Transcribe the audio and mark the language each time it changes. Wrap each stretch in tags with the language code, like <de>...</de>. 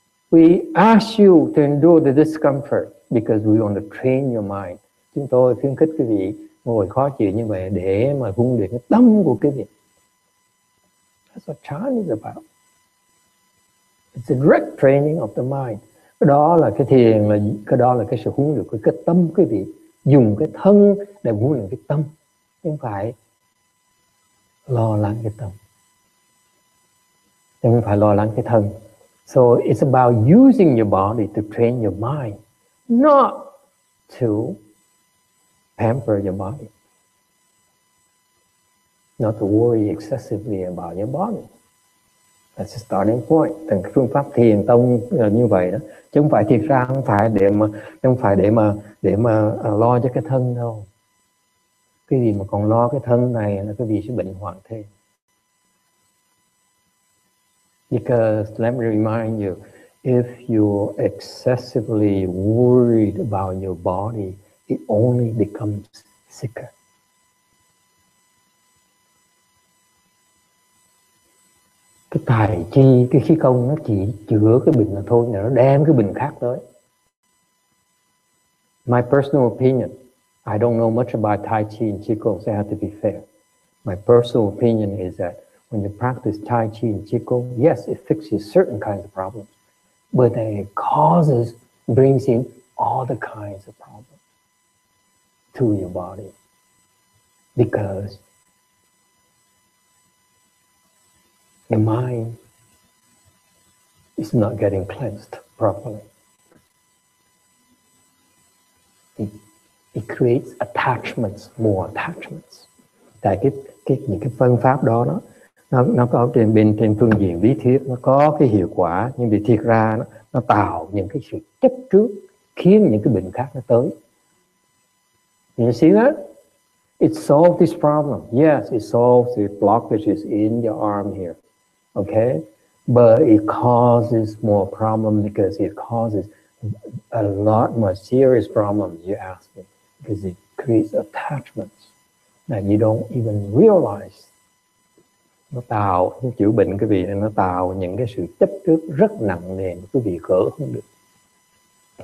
<en>We ask you to endure the discomfort because we want to train your mind.</en> <vi>Chúng tôi khuyến khích quý vị ngồi khó chịu như vậy để mà huấn luyện cái tâm của quý vị.</vi> <en>That's what chan is about. It's a direct training of the mind.</en> <vi>Đó là cái thiền, đó là cái sự huấn luyện của cái tâm quý vị. Dùng cái thân để huấn luyện cái tâm, không phải lo lắng cái tâm, không phải lo lắng cái thân.</vi> <en>So it's about using your body to train your mind, not to pamper your body, not to worry excessively about your body. That's the starting point.</en> <vi>Thành phương pháp thiền tông như vậy đó, chứ không phải thiệt ra không phải để mà lo cho cái thân đâu. Cái gì mà còn lo cái thân này là cái gì sẽ bệnh hoạn thêm.</vi> <en>Because let me remind you, if you're excessively worried about your body, it only becomes sicker.</en> <vi>Cái tài chi, cái khí công nó chỉ chữa cái bệnh là thôi, nó đem cái bệnh khác tới.</vi> <en>My personal opinion, I don't know much about Tai Chi and Qigong, so I have to be fair. My personal opinion is that when you practice Tai Chi and Qigong, yes, it fixes certain kinds of problems, but then it brings in all the kinds of problems to your body. Because the mind is not getting cleansed properly. It creates attachments, more attachments.</en> <vi>Tại những cái phương pháp đó nó có trên phương diện lý thuyết nó có cái hiệu quả, nhưng vì thiệt ra nó tạo những cái sự chấp trước khiến những cái bệnh khác nó tới.</vi> <en>You see that? It solves this problem. Yes, it solves the blockages in your arm here. Okay, but it causes more problem because it causes a lot more serious problems, you ask me, because it creates attachments that you don't even realize.</en> <vi>Nó tạo chữa bệnh quý vị, nó tạo những cái sự chấp trước rất nặng nề, quý vị gỡ không được.</vi>